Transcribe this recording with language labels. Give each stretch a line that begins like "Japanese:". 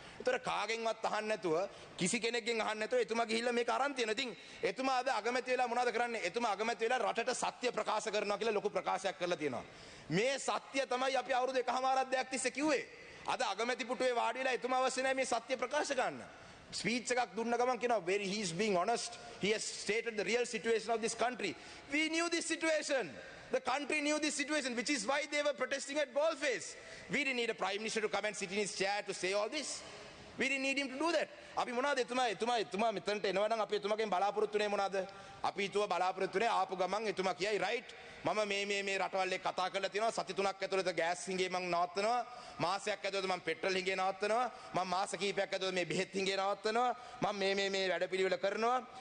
Sinhala: එතකොට කාගෙන්වත් අහන්න නැතුව කිසි කෙනෙක්ගෙන් අහන්න නැතුව එතුමා ගිහිල්ලා මේක අරන් තියෙනවා. ඉතින් එතුමා අද අගමැති වෙලා මොනවද කරන්නේ? එතුමා අගමැති වෙලා රටට සත්‍ය ප්‍රකාශ කරනවා කියලා ලොකු ප්‍රකාශයක් කරලා තියෙනවා. මේ සත්‍ය තමයි අපි අවුරුදු එකමාරක් දෙයක් තිස්සේ කිව්වේ. අද අගමැති පුටුවේ වාඩි වෙලා එතුමා අවශ්‍ය නැහැ මේ සත්‍ය ප්‍රකාශ කරන්න. ස්පීච් එකක් දුන්න ගමන් කියනවා
English: very he is being honest, he has stated the real situation of this country. We knew this situation. The country knew this situation, which is why they were protesting at Ballface. We didn't need a prime minister to come and sit in his chair to say all this. We didn't need him to do that.
Sinhala: අපි මොනවද එතුමා මෙතනට එනවා නම් අපි එතුමගෙන් බලාපොරොත්තුනේ මොනවද? අපි හිතුව බලාපොරොත්තුනේ ආපු ගමන් එතුමා කියයි right. මම මේ රටවල් එක්ක කතා කරලා තියෙනවා. සති තුනක් ඇතුළත ගෑස් හිඟේ මම නවත්තනවා. මාසයක් ඇතුළත මම පෙට්‍රල් හිඟේ නවත්තනවා. මම මාස කීපයක් ඇතුළත මේ බෙහෙත් හිඟේ නවත්තනවා. මම මේ වැඩපිළිවෙල කරනවා.